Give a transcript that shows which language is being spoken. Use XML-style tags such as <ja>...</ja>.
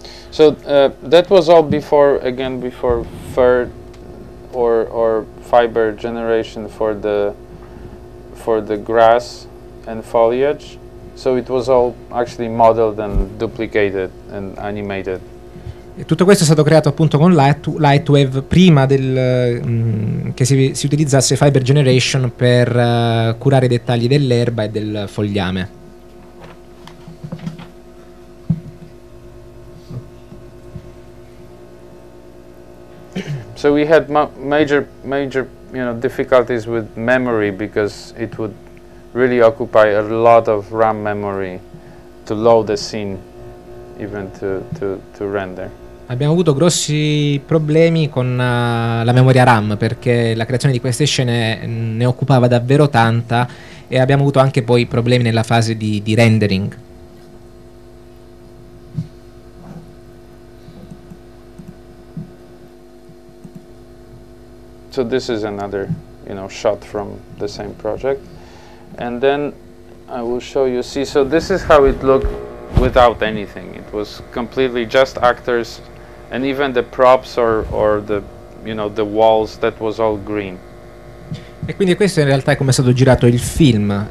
<en>So that was all before fur or fiber generation for the grass and foliage. So it was all actually modeled and duplicated and animated.</en> <it>Tutto questo è stato creato appunto con Lightwave prima che si utilizzasse Fiber Generation per curare i dettagli dell'erba e del fogliame.</it> <en>So we had major, you know, difficulties with memory, because it would really occupy a lot of RAM memory to load the scene, even to render.</en> <it>Abbiamo avuto grossi problemi con la memoria RAM, perché la creazione di queste scene ne occupava davvero tanta, e abbiamo avuto anche poi problemi nella fase di rendering.</it> <en>So this is another, you know, shot from the same project, and then I will show you. See, so this is how it looked without anything. It was completely just actors, and even the props or the, you know, the walls, that was all green.</en> <it>E quindi questo in realtà è come è stato girato il film.</it>